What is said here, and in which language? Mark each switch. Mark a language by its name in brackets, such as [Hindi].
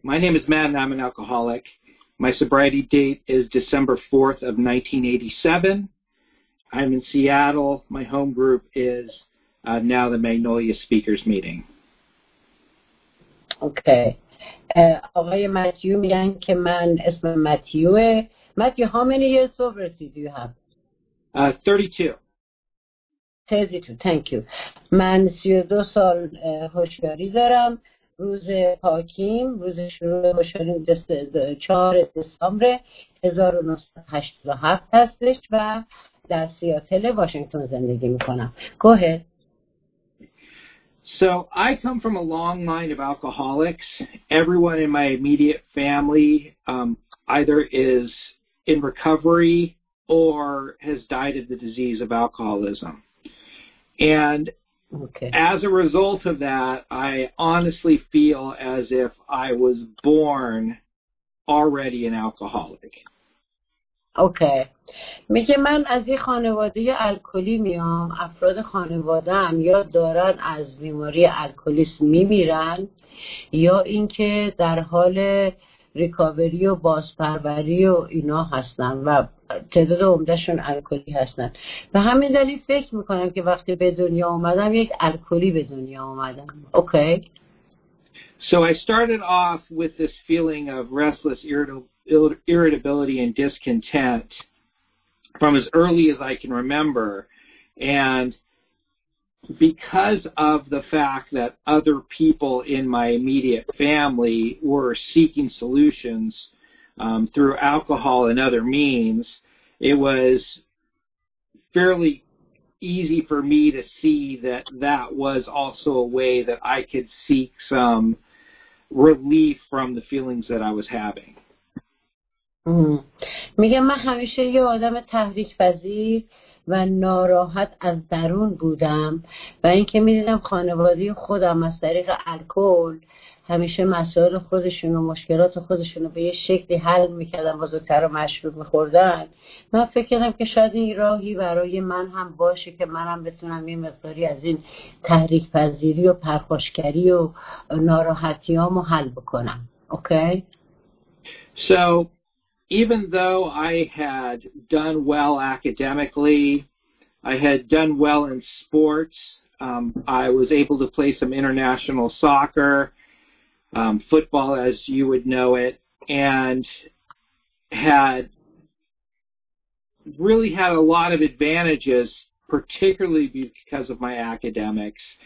[English] My name is Matt and I'm an alcoholic. My sobriety date is December 4th of 1987. I'm in Seattle. My home group is now the Magnolia Speakers Meeting. Okay. [Persian] آقای متیو میگن که من اسم متیوه. [English] Matthew, how many years sobriety do you have? 32. Thank you. [Persian] من 32 سال هوشیاری دارم. روز پاکیم, روز شروع هوشیاری 4 دسامبر 1987 هستش و در سیاتل واشنگتن زندگی میکنم. [English] Go ahead. So I come from a long line of alcoholics. Everyone in my immediate family either is in recovery or has died of the disease of alcoholism. And as a result of that, I honestly feel as if I was born already an alcoholic. Okay. [Persian] میگه من از یه خانواده الکلی میام. افراد خانواده هم یا دارن از بیماری الکلیسم میمیرن یا اینکه در حال ریکاوری و بازپروری و اینا هستن و تعداد عمدهشون الکلی هستن. به همین دلیل فکر میکنم که وقتی به دنیا اومدم یک الکلی به دنیا اومدم. [English] Okay. So I started off with this feeling of restless, irritability and discontent from as early as I can remember. And because of the fact that other people in my immediate family were seeking solutions through alcohol and other means, it was fairly easy for me to see that that was also a way that I could seek some relief from the feelings that I was having. [Persian] میگم من همیشه یه آدم تحریک پذیر و ناراحت از درون بودم و اینکه می‌دیدم خانواده خودم از طریق الکل همیشه مسائل خودشون و مشکلات خودشون رو به یه شکلی حل می‌کردن، بزرگتر و مشروب می‌خوردن، من فکر کردم که شاید این راهی برای من هم باشه که منم بتونم یه مقداری از این تحریک پذیری و پرخاشگری و ناراحتیامو حل بکنم. [English] Okay. Even though I had done well academically, I had done well in sports, I was able to play some international soccer, football as you would know it, and had a lot of advantages, particularly because of my academics.